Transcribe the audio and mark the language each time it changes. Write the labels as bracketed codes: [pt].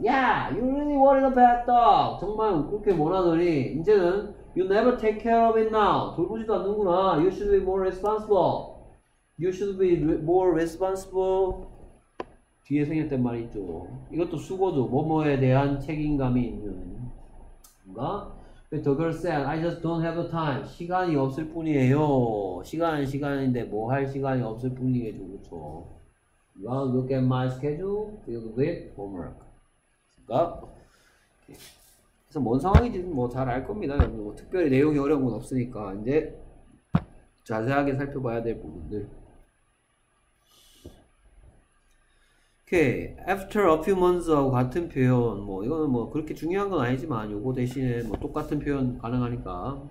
[en] Yeah, you really wanted a pet dog. [ko] 정말 그렇게 원하더니 이제는 [en] you never take care of it now. [ko] 돌보지도 않는구나. [en] You should be more responsible. You should be more responsible. [ko] 뒤에 생겼던 말 있죠. 이것도 수고죠. 뭐뭐에 대한 책임감이 있는. 뭔가? [en] The girl said, I just don't have the time. [ko] 시간이 없을 뿐이에요. 시간은 시간인데 뭐 할 시간이 없을 뿐이겠죠. 그렇죠. [en] Well, look at my schedule filled with homework. [ko] 뭔가? 그래서 뭔 상황인지 뭐 잘 알 겁니다. 여러분. 뭐 특별히 내용이 어려운 건 없으니까 이제 자세하게 살펴봐야 될 부분들. [en] Okay. After a few months [ko] 하고 같은 표현, 뭐, 이거는 뭐, 그렇게 중요한 건 아니지만, 요거 대신에 뭐, 똑같은 표현 가능하니까.